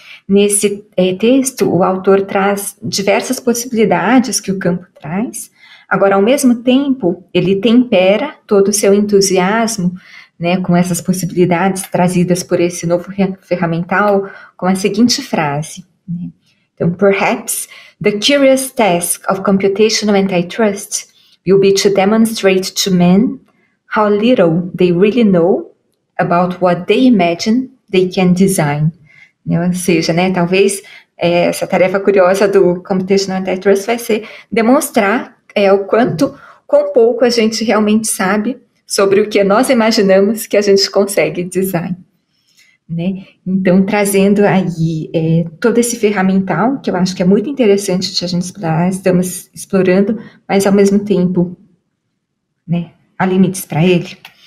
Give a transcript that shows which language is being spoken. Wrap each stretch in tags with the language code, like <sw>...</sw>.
<pt>Nesse texto, o autor traz diversas possibilidades que o campo traz. Agora, ao mesmo tempo, ele tempera todo o seu entusiasmo, né, com essas possibilidades trazidas por esse novo ferramental, com a seguinte frase. Né?</pt> <en>Então, perhaps the curious task of computational antitrust will be to demonstrate to men how little they really know about what they imagine they can design.</en> <pt>Né? Ou seja, né, talvez essa tarefa curiosa do computational antitrust vai ser demonstrar o quanto, quão pouco a gente realmente sabe sobre o que nós imaginamos que a gente consegue design. Né? Então, trazendo aí todo esse ferramental, que eu acho que é muito interessante de a gente explorar, estamos explorando, mas ao mesmo tempo, né, há limites para ele.</pt>